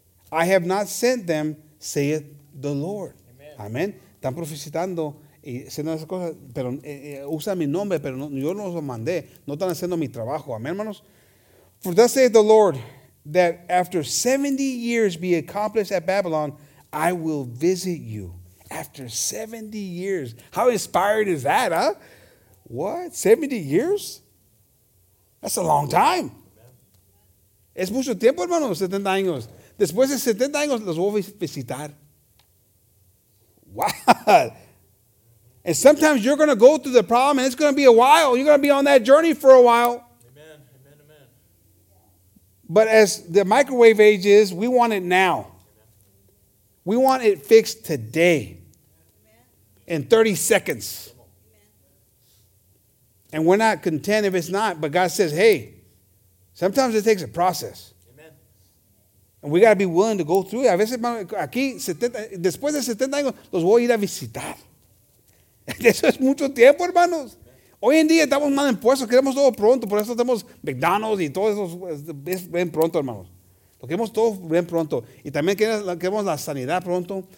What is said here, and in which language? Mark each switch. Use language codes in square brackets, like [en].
[en] I have not sent them, saith the Lord. Amen. [es] Están profetizando y haciendo esas cosas, pero usa mi nombre, pero no, yo no los mandé. No están haciendo mi trabajo. Amén, hermanos. [en] For thus saith the Lord, that after 70 years be accomplished at Babylon, I will visit you. After 70 years. How inspired is that, huh? What? 70 years? That's a long time. [es] Es mucho tiempo, hermanos, 70 años. Después de 70 años, los voy a visitar. Wow. [en] And sometimes you're going to go through the problem, and it's going to be a while. You're going to be on that journey for a while. Amen, amen, amen. But as the microwave age is, we want it now. We want it fixed today. In 30 seconds. And we're not content if it's not. But God says, hey, sometimes it takes a process. And we got to be willing to go through it. [es] A veces, aquí, 70, después de 70 años, los voy a ir a visitar. Eso es mucho tiempo, hermanos. Hoy en día estamos mal impuestos. Queremos todo pronto. Por eso tenemos McDonald's y todo eso. Es bien pronto, hermanos. Lo queremos todo bien pronto. Y también queremos la sanidad pronto.